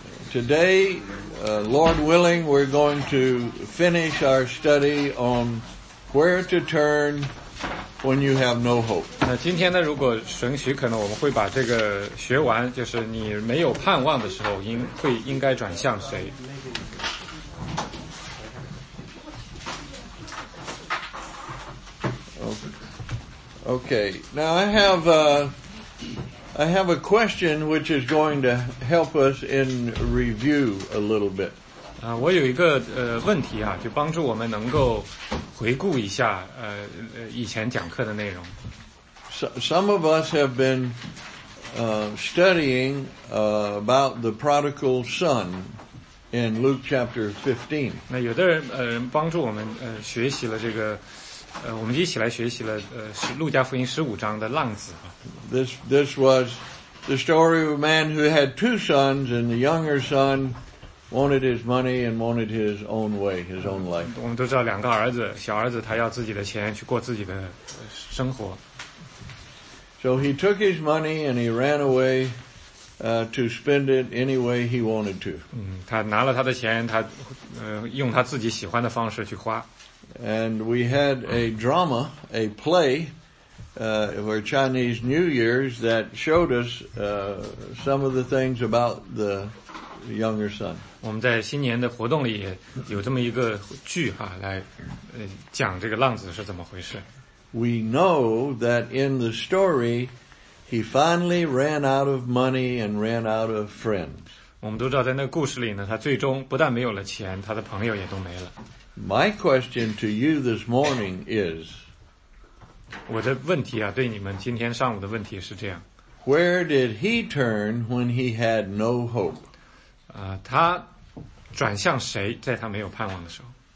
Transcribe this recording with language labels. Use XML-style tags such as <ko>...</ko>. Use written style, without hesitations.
<en>Today, Lord willing, we're going to finish our study on where to turn when you have no hope.</en> <zh>那今天呢, 如果神许, 可能我们会把这个学完, 就是你没有盼望的时候, 应该转向谁。</zh> <en>Okay, now I have a question which is going to help us in review a little bit.</en> <zh>我有一个问题啊, 就帮助我们能够回顾一下, 以前讲课的内容。</zh> <en>Some of us have been studying about the prodigal son in Luke chapter 15.</en> <zh>那有的人帮助我们学习了这个 我们一起来学习了路加福音15章的浪子。</zh> <en>This was the story of a man who had two sons, and the younger son wanted his money and wanted his own way, his own life.</en> <zh>我们都知道两个儿子, 小儿子他要自己的钱去过自己的生活。</zh> <en>So he took his money and he ran away to spend it any way he wanted to.</en> <zh>他拿了他的钱, 他用他自己喜欢的方式去花。</zh> <en>And we had a drama, a play, for Chinese New Year's that showed us some of the things about the younger son.</en> <zh>我们在新年的活动里有这么一个剧哈, 来, 讲这个浪子是怎么回事。</zh> <en>We know that in the story, he finally ran out of money and ran out of friends.</en> <zh>我们都知道在那个故事里呢, 他最终不但没有了钱, 他的朋友也都没了。</zh> <en>My question to you this morning is,</en> <zh>我的问题啊, 对你们今天上午的问题是这样,</zh> <en>where did he turn when he had no hope?</en> <zh>他转向谁, 在他没有盼望的时候?</zh>